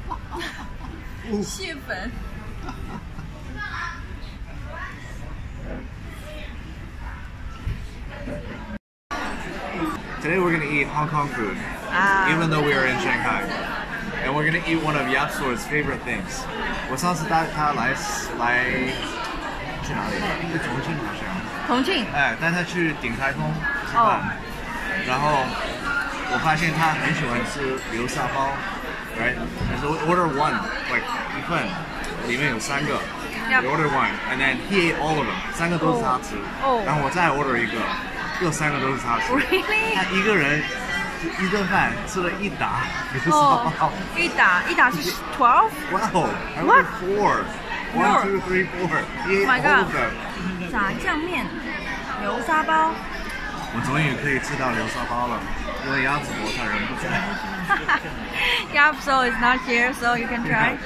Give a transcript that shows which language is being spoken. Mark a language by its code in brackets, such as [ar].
[en] I'm from Shanghai. Today we're going to eat Hong Kong food, even though we are in Shanghai. and we're gonna eat one of Yapsor's favorite things. [zh] 我上次带他来来去哪里？重庆好像。重庆。哎，带他去鼎泰丰吃饭，然后我发现他很喜欢吃流沙包 ， [en] right？ And so we order one, like [zh] 一份，里面有三个。 [en] Yep. We ordered one, and then he ate all of them. [zh] 三个都是他吃。哦。然后我再 [en] order [zh] 一个，又三个都是他吃。 [en] Really？ [zh] 他一个人就一顿饭吃了一打流沙包。一打一打是 12? [en] Wow. What? Four. One, two, three, four. He ate all of them. My God. [zh] 炸酱面，流沙包。我终于可以吃到流沙包了，因为鸭子伯他人不在。 [en] Yap so is not here, so you can try.